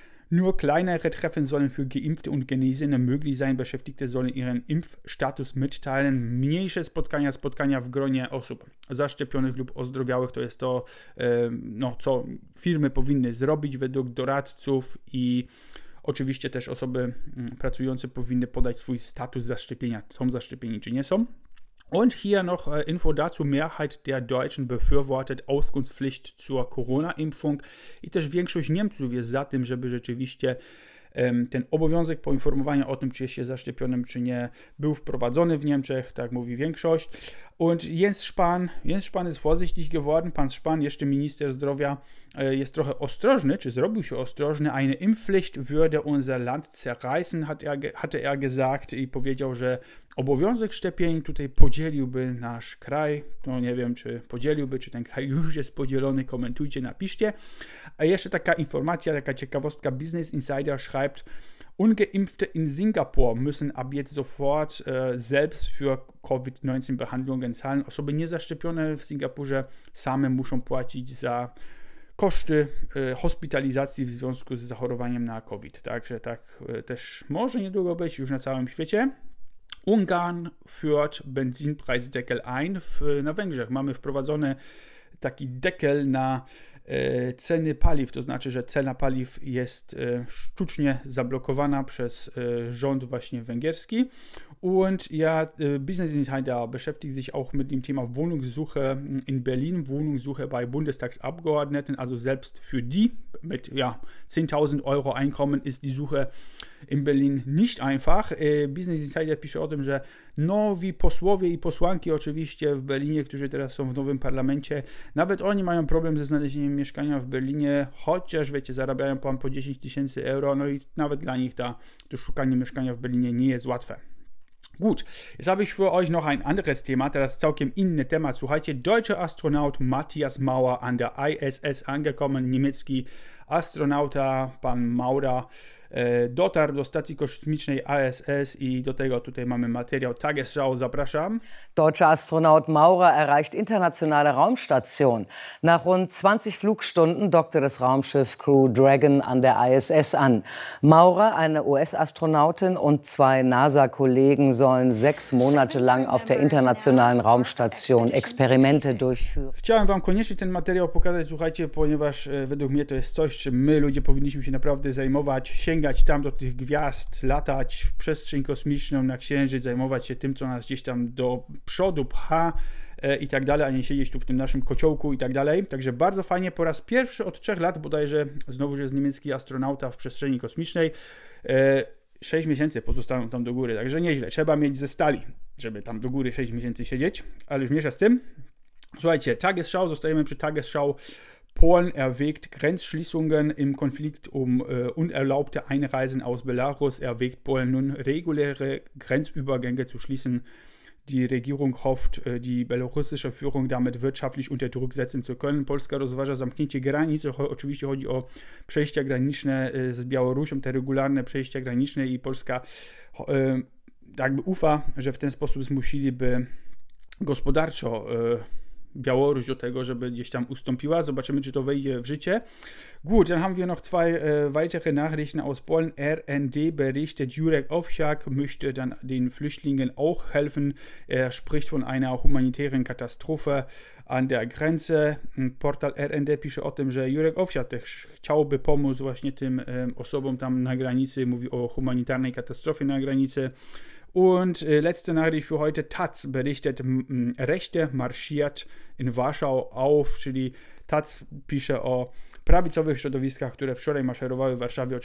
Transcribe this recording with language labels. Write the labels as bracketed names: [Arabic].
[German] Nur kleinere Treffen sollen für Geimpfte und Genesene möglich sein. Beschäftigte sollen ihren Impfstatus mitteilen. [Polish] Mniejsze spotkania, spotkania w gronie osób zaszczepionych lub ozdrowiałych, to jest to, no, co firmy powinny zrobić według doradców i oczywiście też osoby pracujące powinny podać swój status zaszczepienia, są zaszczepieni czy nie są. [German] Und hier noch Info dazu, Mehrheit der Deutschen befürwortet Auskunftspflicht zur Corona-Impfung. [Polish] I też większość Niemców jest za tym, żeby rzeczywiście ten obowiązek poinformowania o tym, czy jest się zaszczepionym, czy nie, był wprowadzony w Niemczech, tak mówi większość. Und Jens Spahn jest vorsichtig geworden, pan Spahn, jeszcze minister zdrowia, jest trochę ostrożny, czy zrobił się ostrożny. [German] Eine Impfpflicht würde unser Land zerreißen, hatte er gesagt i powiedział, że obowiązek szczepień tutaj podzieliłby nasz kraj. [Polish] No nie wiem, czy podzieliłby, czy ten kraj już jest podzielony, komentujcie, napiszcie. [German] A jeszcze taka informacja, taka ciekawostka, Business Insider schreibt, Ungeimpfte in Singapur müssen ab jetzt sofort selbst für COVID-19 Behandlungen zahlen. [Polish] Osoby niezaszczepione w Singapurze same muszą płacić za koszty hospitalizacji w związku z zachorowaniem na COVID. Także tak też może niedługo być już na całym świecie. [German] Ungarn führt Benzinpreisdeckel ein. [Polish] Na Węgrzech mamy wprowadzony taki deckel na ceny paliw, to znaczy, że cena paliw jest sztucznie zablokowana przez rząd właśnie węgierski. [German] Und ja, Business Insider beschäftigt sich auch mit dem Thema Wohnungssuche in Berlin, Wohnungssuche bei Bundestagsabgeordneten, also selbst für die mit ja, 10.000 Euro Einkommen ist die Suche in Berlin nicht einfach. [Polish] Business Insider pisze o tym, że nowi posłowie i posłanki oczywiście w Berlinie, którzy teraz są w nowym parlamencie, nawet oni mają problem ze znalezieniem mieszkania w Berlinie, chociaż wiecie, zarabiają tam po 10 tysięcy euro, no i nawet dla nich to szukanie mieszkania w Berlinie nie jest łatwe. [German] Gut, jetzt habe ich für euch noch ein anderes Thema, teraz całkiem inne Thema. Słuchajcie, deutscher Astronaut Matthias Maurer an der ISS angekommen, niemiecki Astronauta, pan Maurer, [Polish] dotarł do stacji kosmicznej ISS i do tego tutaj mamy materiał. Tagesschau, zapraszam. [German] Deutscher Astronaut Maurer erreicht internationale Raumstation. Nach rund 20 Flugstunden dockte das Raumschiff Crew Dragon an der ISS an. Maurer, eine US-Astronautin und zwei NASA-Kollegen sollen 6 Monate lang auf der internationalen Raumstation Experimente durchführen. [Polish] Chciałem wam koniecznie ten materiał pokazać, słuchajcie, ponieważ według mnie to jest coś, czym my ludzie powinniśmy się naprawdę zajmować, sięgać tam do tych gwiazd, latać w przestrzeń kosmiczną na Księżyc, zajmować się tym, co nas gdzieś tam do przodu pcha i tak dalej, a nie siedzieć tu w tym naszym kociołku i tak dalej. Także bardzo fajnie, po raz pierwszy od 3 lat bodajże, znowu, że jest niemiecki astronauta w przestrzeni kosmicznej, 6 miesięcy pozostaną tam do góry, także nieźle, trzeba mieć ze stali, żeby tam do góry 6 miesięcy siedzieć, ale już miesza z tym. Słuchajcie, Tagesschau, zostajemy przy Tagesschau. [German] Polen erwägt Grenzschließungen im Konflikt um unerlaubte Einreisen aus Belarus. Erwägt Polen nun reguläre Grenzübergänge zu schließen. Die Regierung hofft, die belarussische Führung damit wirtschaftlich unter Druck setzen zu können. [Polish] Polska rozważa zamknięcie granic. Oczywiście chodzi o przejścia graniczne z Białorusią, te regularne przejścia graniczne i Polska jakby ufa, że w ten sposób zmusiliby gospodarczo Białoruś do tego, żeby gdzieś tam ustąpiła. Zobaczymy, czy to wejdzie w życie. [German] Gut, dann haben wir noch zwei weitere Nachrichten aus Polen. RND berichtet, Jurek Owsiak möchte dann den Flüchtlingen auch helfen. Er spricht von einer humanitären Katastrophe an der Grenze. [Polish] Portal RND pisze o tym, że Jurek Owsiak też chciałby pomóc właśnie tym osobom tam na granicy. Mówi o humanitarnej katastrofie na granicy. Und letzte Nachricht für heute, Taz berichtet, Rechte marschiert in Warschau auf, czyli Taz pisze o prawicowych środowiskach, które wczoraj maszerowały w Warszawie.